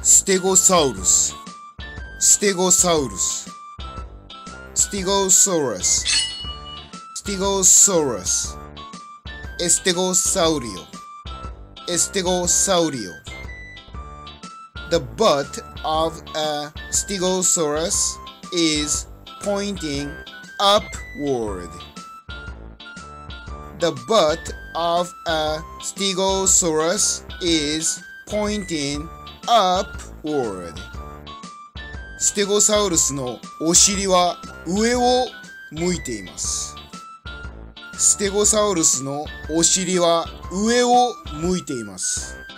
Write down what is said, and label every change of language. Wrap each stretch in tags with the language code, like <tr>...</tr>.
<ja>テゴサウルス、ステゴサウルス、ステゴサウルス、ステゴサウルス、エステゴサウリオ、エステゴサウリオ。</ja> <en>The butt of a stegosaurus is pointing upward. The butt of a stegosaurus is pointing upward.</en> <ja>ステゴサウルスのお尻は上を向いています。ステゴサウルスのお尻は上を向いています。</ja>